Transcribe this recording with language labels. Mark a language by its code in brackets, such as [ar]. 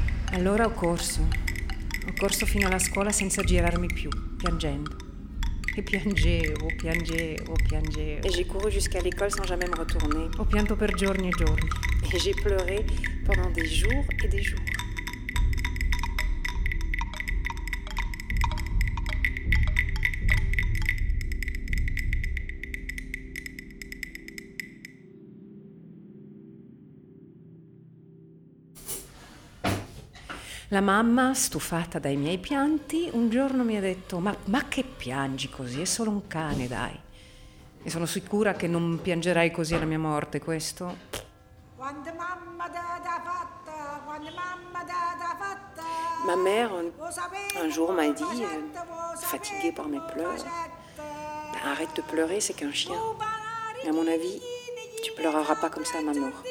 [it] Allora ho corso fino alla scuola senza girarmi più, piangendo. E piangevo. [fr] Et j'ai couru jusqu'à l'école sans jamais me retourner. [it] Ho pianto per giorni e giorni. [fr] Et j'ai pleuré pendant des jours et des jours. [it] La mamma, stufata dai miei pianti, un giorno mi ha detto «Ma che piangi così? È solo un cane, dai!» E sono sicura che non piangerai così alla mia morte, questo? Quando mamma da fatta, quando mamma da fatta. [fr] Ma mère, un jour m'a dit, fatiguée par mes pleurs, «Arrête de pleurer, c'est qu'un chien. Et à mon avis, tu pleureras pas comme ça, maman.»